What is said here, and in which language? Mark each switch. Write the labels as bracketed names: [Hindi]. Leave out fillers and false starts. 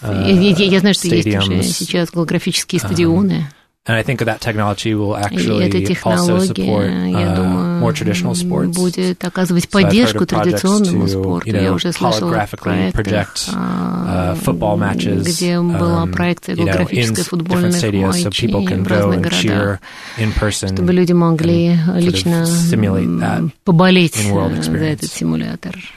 [Russian] Я знаю, что есть уже сейчас голографические стадионы. [English] And I think that technology will actually also support more traditional sports. [Russian] Будет оказывать поддержку традиционному спорту. Я уже слышала о проектах, футбол матчей, где была проекция голографической футбольных матчей в разных городах, чтобы люди могли лично поболеть за этот симулятор.